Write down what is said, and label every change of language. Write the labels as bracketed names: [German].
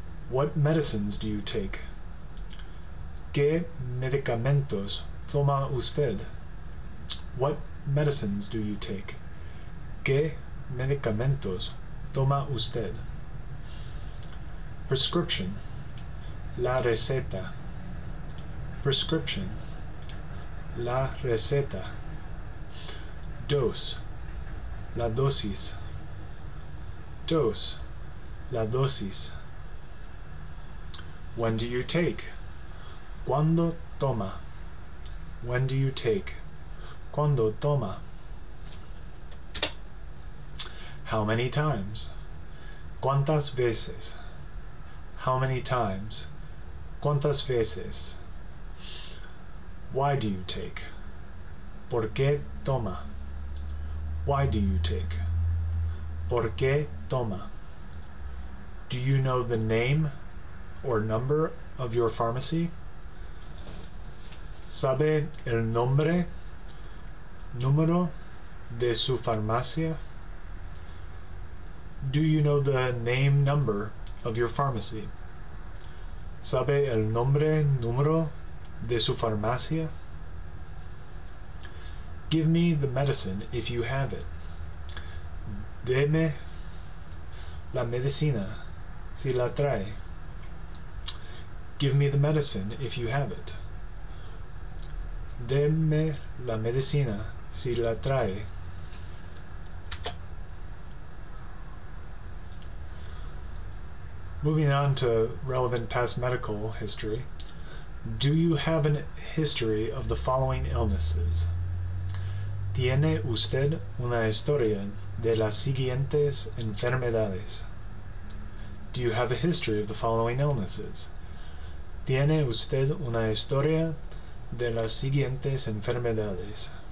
[English] What medicines do you take? [Spanish] ¿Qué medicamentos toma usted? [English] What medicines do you take? [Spanish] ¿Qué medicamentos toma usted? [English] Prescription. [Spanish] La receta. [English] Prescription. [Spanish] La receta. Dose. La dosis. Dose. La dosis. [English] When do you take? [Spanish] ¿Cuándo toma? [English] When do you take? ¿Cuándo toma? How many times? [Spanish] ¿Cuántas veces? [English] How many times? [Spanish] ¿Cuántas veces? [English] Why do you take? [Spanish] ¿Por qué toma? [English] Why do you take? [Spanish] ¿Por qué toma? [English] Do you know the name or number of your pharmacy? [Spanish] ¿Sabe el nombre, número de su farmacia? [English] Do you know the name, number of your pharmacy? [Spanish] ¿Sabe el nombre, número de su farmacia? [English] Give me the medicine if you have it. [Spanish] Deme la medicina si la trae. [English] Give me the medicine if you have it. [Spanish] Deme la medicina si la trae. [English] Moving on to relevant past medical history. Do you have a history of the following illnesses? [Spanish] ¿Tiene usted una historia de las siguientes enfermedades? [English] Do you have a history of the following illnesses? [Spanish] ¿Tiene usted una historia de las siguientes enfermedades?